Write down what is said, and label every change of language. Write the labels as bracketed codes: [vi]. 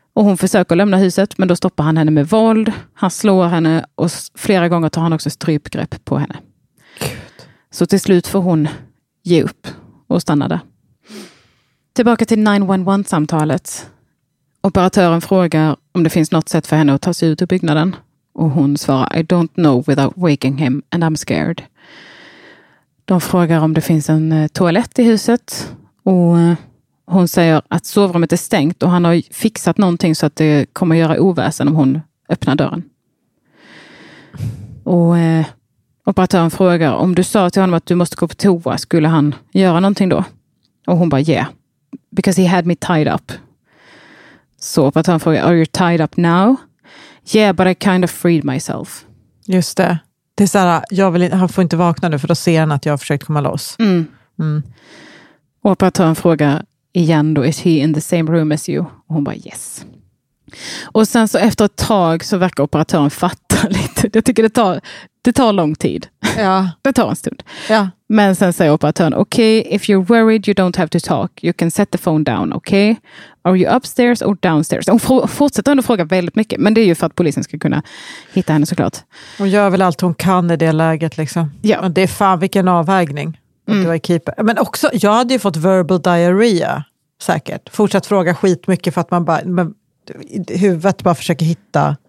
[sv] Och hon försöker lämna huset, men då stoppar han henne med våld. Han slår henne och flera gånger tar han också strypgrepp på henne. Gud. Så till slut får hon ge upp och stanna där. Tillbaka till 911-samtalet. Operatören frågar om det finns något sätt för henne att ta sig ut ur byggnaden. Och hon svarar, [en] I don't know without waking him and I'm scared. [sv] De frågar om det finns en toalett i huset och hon säger att sovrummet är stängt och han har fixat någonting så att det kommer göra oväsen om hon öppnar dörren. Och operatören frågar, om du sa till honom att du måste gå på toa, skulle han göra någonting då? Och hon bara, [en] yeah, because he had me tied up. [sv] Så operatören frågar, [en] are you tied up now? Yeah, but I kind of freed myself. Just det. [sv] Det är så här, han får inte vakna nu för då ser han att jag har försökt komma loss. Mm. Mm. Och operatören frågar igen då, [en] is he in the same room as you? [sv] Och hon bara, yes. Och sen så efter ett tag så verkar operatören fatta lite. Jag tycker det tar lång tid. Ja. Det tar en stund. Ja. Men sen säger operatören, [en] okay, if you're worried you don't have to talk. You can set the phone down, okay? Are you upstairs or downstairs? [sv] Hon fortsätter ändå fråga väldigt mycket. Men det är ju för att polisen ska kunna hitta henne såklart. Hon gör väl allt hon kan i det läget liksom. Ja. Men det är fan vilken avvägning. Att du är keeper. Men också, jag hade ju fått verbal diarrhea säkert. Fortsatt fråga skitmycket för att man bara, men huvudet bara försöker hitta.